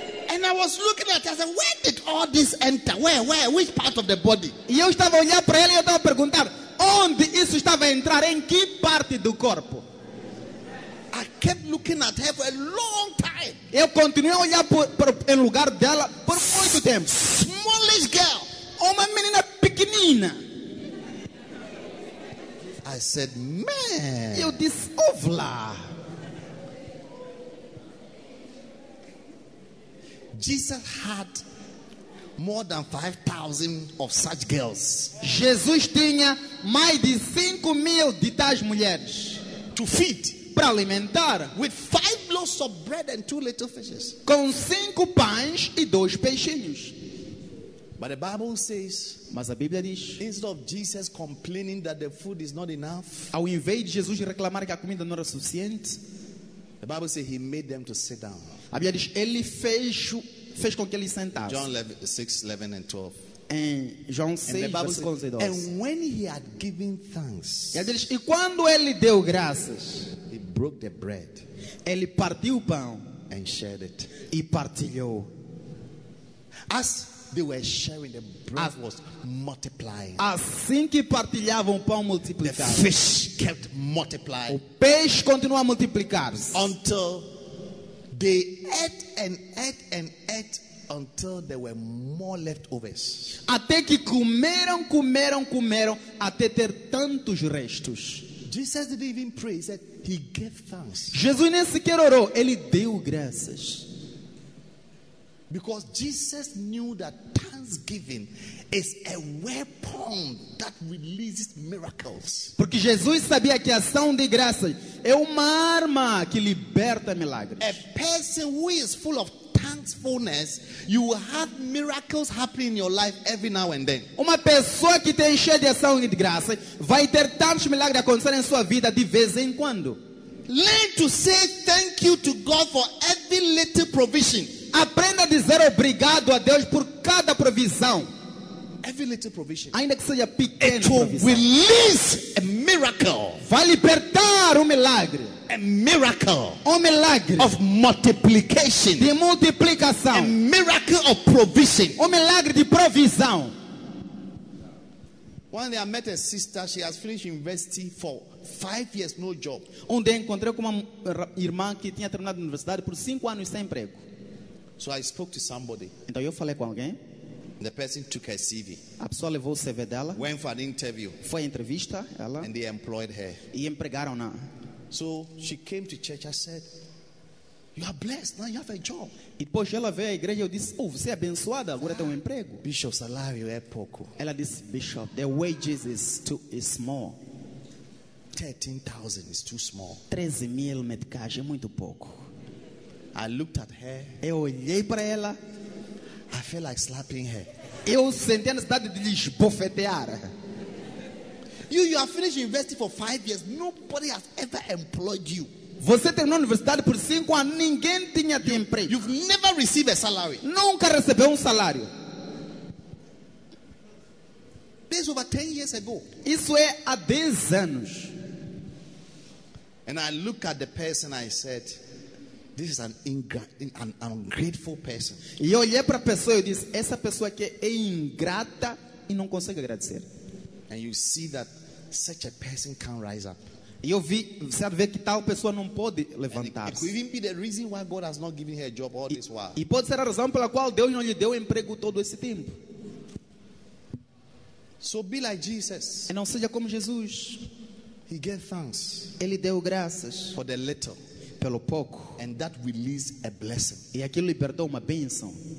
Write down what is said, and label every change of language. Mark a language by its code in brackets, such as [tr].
[en] And I was looking at her. I said, where did all this enter? Where? Which part of the body? [pt] E eu estava a olhar para ela e eu estava a perguntar onde isso estava a entrar, em que parte do corpo? [en] I kept looking at her for a long time. [pt] Eu continuei a olhar por lugar dela por muito tempo. [en] Smallish girl. [pt] Uma menina pequenina. [en] I said, man. [pt] Eu disse, ovla. [en] Jesus had more than 5,000 of such girls. [pt] Jesus tinha mais de 5,000 de tais mulheres. [en] To feed. [pt] Para alimentar. [en] With 5 loaves of bread and 2 little fishes. [pt] Com 5 pães e 2 peixinhos. [en] But the Bible says. [pt] Mas a Bíblia diz. [en] Instead of Jesus complaining that the food is not enough. [pt] Ao invés de Jesus reclamar que a comida não era suficiente. [en] The Bible says he made them to sit down. [pt] A Bíblia diz ele fez com que eles sentassem. [en] John 6:11-12. [pt] João 6, [en] and, and when he had given thanks, [pt] e quando ele deu graças, [en] he broke the bread, [pt] ele partiu o pão, [en] and shared it, [pt] e partilhou. [en] As they were sharing, the bread was multiplying. [pt] Assim que partilhavam, o pão multiplicava. [en] The fish kept multiplying. [pt] O peixe continuou a multiplicar-se. [en] Until they ate and ate and ate. Until there were more leftovers. [pt] Até que comeram até ter tantos restos. [en] Jesus didn't even pray. He said he gave thanks. [pt] Jesus nem sequer orou. Ele deu graças. [en] Because Jesus knew that thanksgiving is a weapon that releases miracles. [pt] Porque Jesus sabia que a ação de graças é uma arma que liberta milagres. [en] A person who is full of thankfulness, you will have miracles happening in your life every now and then. [pt] Uma pessoa que tem cheia de ação e de graça vai ter tantos milagres acontecendo em sua vida de vez em quando. [en] Learn to say thank you to God for every little provision. [pt] Aprenda a dizer obrigado a Deus por cada provisão. [en] Every little provision. [pt] Ainda que seja pequena. [en] It will release a miracle. [pt] Vai libertar milagre. [en] A miracle, [pt] um milagre [en] of multiplication, [pt] de multiplicação, [en] a miracle of provision, [pt] um milagre de provisão. [en] One day I met a sister, she has finished university for 5 years, no job. [pt] Onde encontrei com uma irmã que tinha terminado a universidade por 5 anos sem emprego. [en] So I spoke to somebody. [pt] Então eu falei com alguém. [en] The person took her CV. [pt] A pessoa levou o CV dela. [en] Went for an interview. [pt] Foi a entrevista ela. [en] And they employed her. [pt] E empregaram-na. [en] So she came to church. I said, "You are blessed. Now you have a job." [pt] E depois ela veio à igreja e eu disse, "Oh, você é abençoada. Agora tem emprego." Bishop, salário é pouco. Ela disse, [en] "Bishop, the wages is too small. 13,000 is too small. [pt] 13,000 meticais é muito pouco." [en] I looked at her. [pt] Eu olhei para ela. [en] I felt like slapping her. [pt] Eu senti a necessidade de lhe esbofetear. [en] You are finished university for 5 years. Nobody has ever employed you. [pt] Você terminou a universidade por 5 anos. Ninguém tinha te emprego. [en] You've never received a salary. [pt] Nunca recebeu salário. [en] This was over 10 years ago. [pt] Isso é há 10 anos. [en] And I look at the person, I said, this is an ungrateful person. [pt] E eu olhei para a pessoa e eu disse, essa pessoa aqui é ingrata e não consegue agradecer. [en] And you see that such a person can't rise up. [pt] E eu vi, você vê que tal pessoa não pode levantar-se. [en] It could even be the reason why God has not given her a job all this while. [pt] E pode ser a razão pela qual Deus não lhe deu emprego todo esse tempo. [en] So be like Jesus. [pt] E não seja como Jesus. [en] He gave thanks. [pt] Ele deu graças. [en] For the little. [pt] Pelo pouco. [en] And that released a blessing. [pt] E aquilo libertou uma bênção.